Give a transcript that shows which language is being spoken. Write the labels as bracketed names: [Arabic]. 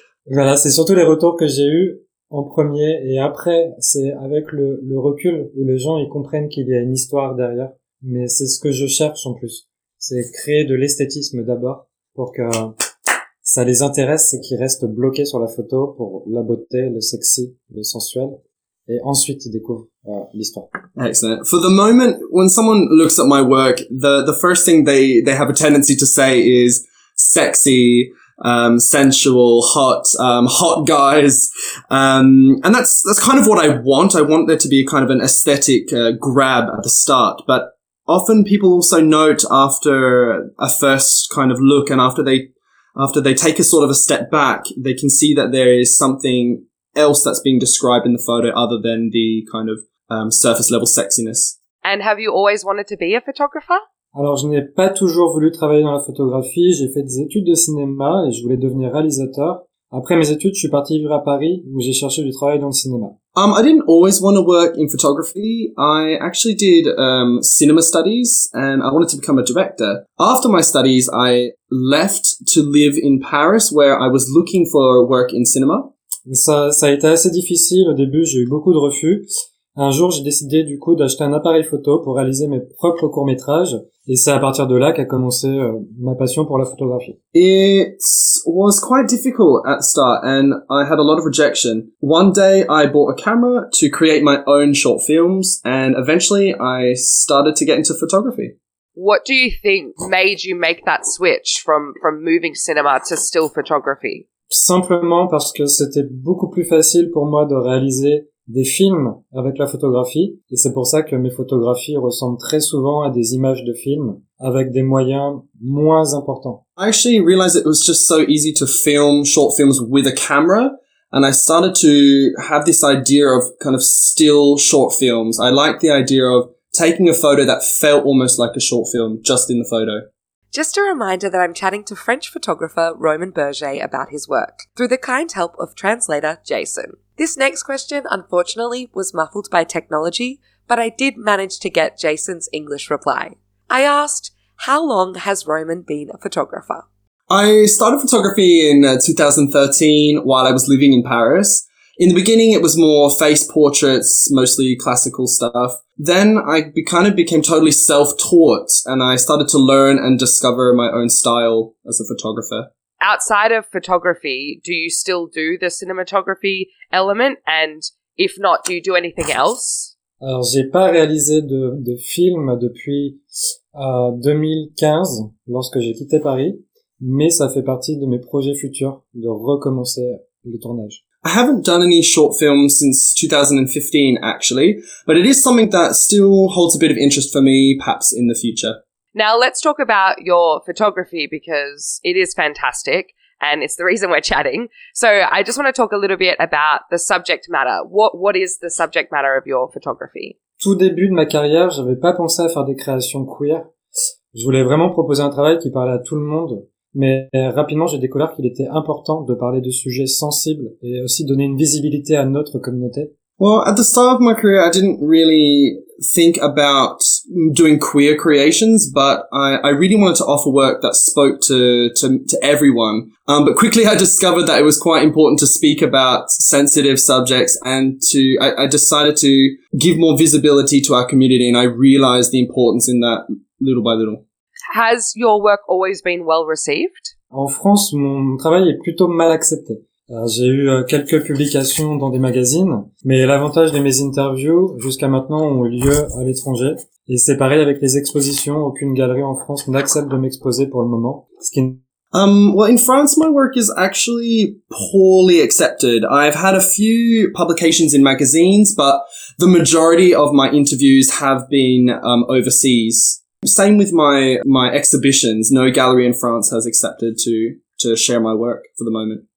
[French] Voilà, c'est surtout les retours que j'ai eus en premier. Et après, c'est avec le recul où les gens ils comprennent qu'il y a une histoire derrière. Mais c'est ce que je cherche en plus. C'est créer de l'esthétisme d'abord pour que... ça les intéresse, c'est qu'ils restent bloqués sur la photo pour la beauté, le sexy, le sensuel. Et ensuite, ils découvrent l'histoire. [English] Excellent. For the moment, when someone looks at my work, the first thing they have a tendency to say is sexy, sensual, hot, hot guys. And that's kind of what I want. I want there to be a kind of an aesthetic grab at the start. But often people also note after a first kind of look and after they take a sort of a step back, they can see that there is something else that's being described in the photo other than the kind of surface level sexiness. And have you always wanted to be a photographer? [French] Alors, je n'ai pas toujours voulu travailler dans la photographie. J'ai fait des études de cinéma et je voulais devenir réalisateur. Après mes études, je suis parti vivre à Paris où j'ai cherché du travail dans le cinéma. [English] I didn't always want to work in photography. I actually did cinema studies and I wanted to become a director. After my studies, I left to live in Paris where I was looking for work in cinema. [French] Ça a été assez difficile au début, j'ai eu beaucoup de refus. Un jour, j'ai décidé du coup d'acheter un appareil photo pour réaliser mes propres courts-métrages. Et c'est à partir de là qu'a commencé ma passion pour la photographie. [English] It was quite difficult at the start and I had a lot of rejection. One day I bought a camera to create my own short films and eventually I started to get into photography. What do you think made you make that switch from moving cinema to still photography? [French] Simplement parce que c'était beaucoup plus facile pour moi de réaliser des films avec la photographie, et c'est pour ça que mes photographies ressemblent très souvent à des images de films avec des moyens moins importants. [English] I actually realized it was just so easy to film short films with a camera, and I started to have this idea of kind of still short films. I liked the idea of taking a photo that felt almost like a short film just in the photo. Just a reminder that I'm chatting to French photographer Romain Berger about his work through the kind help of translator Jason. This next question, unfortunately, was muffled by technology, but I did manage to get Jason's English reply. I asked, how long has Romain been a photographer? I started photography in 2013 while I was living in Paris. In the beginning, it was more face portraits, mostly classical stuff. Then I kind of became totally self-taught and I started to learn and discover my own style as a photographer. Outside of photography, do you still do the cinematography element? And if not, do you do anything else? [French] Alors, j'ai pas réalisé de film depuis 2015, lorsque j'ai quitté Paris. mais ça fait partie de mes projets futurs de recommencer le tournage. [English] I haven't done any short films since 2015, actually, but it is something that still holds a bit of interest for me, perhaps in the future. Now, let's talk about your photography, because it is fantastic, and it's the reason we're chatting. So I just want to talk a little bit about the subject matter. What is the subject matter of your photography? [French] Tout début de ma carrière, j'avais pas pensé à faire des créations queer. Je voulais vraiment proposer un travail qui parlait à tout le monde. Mais rapidement, j'ai découvert qu'il était important de parler de sujets sensibles et aussi donner une visibilité à notre communauté. [English] Well, at the start of my career, I didn't really think about doing queer creations, but I really wanted to offer work that spoke to everyone. But quickly, I discovered that it was quite important to speak about sensitive subjects, and I decided to give more visibility to our community, and I realized the importance in that little by little. Has your work always been well received? [French] En France, mon travail est plutôt mal accepté. J'ai eu quelques publications dans des magazines, mais l'avantage de mes interviews jusqu'à maintenant ont eu lieu à l'étranger. Et c'est pareil avec les expositions. Aucune galerie en France n'accepte de m'exposer pour le moment. [English] In France, my work is actually poorly accepted. I've had a few publications in magazines, but the majority of my interviews have been overseas. Same with my exhibitions. No gallery in France has accepted to share my work for the moment.